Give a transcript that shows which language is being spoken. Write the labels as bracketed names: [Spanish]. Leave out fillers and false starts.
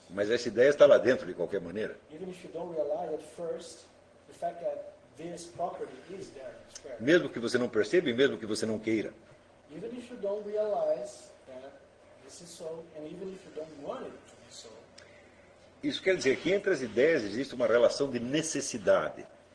[Portuguese] Mas essa ideia está lá dentro de qualquer maneira. [English] Even if you don't realize at first the fact that this property is there in the square. [Portuguese] Mesmo que você não perceba e mesmo que você não queira. [English] even if you don't realize that this is so, and even if you don't want it to be so. [Portuguese] Isso quer dizer que entre as ideias existe uma relação de necessidade.